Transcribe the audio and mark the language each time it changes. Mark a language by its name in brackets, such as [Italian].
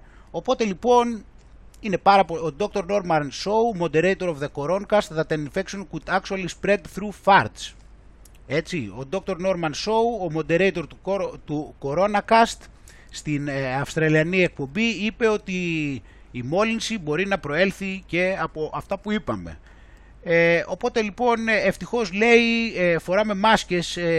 [Greek] Οπότε λοιπόν είναι πάρα πολύ. Ο Dr. [English] Norman Shaw, moderator of the coronacast, that an infection could actually spread through farts. [Greek] Έτσι, ο Dr. Norman Shaw, ο moderator του coronacast, στην αυστραλιανή εκπομπή, είπε ότι η μόλυνση μπορεί να προέλθει και από αυτά που είπαμε. Οπότε λοιπόν, ευτυχώς λέει, φοράμε μάσκες.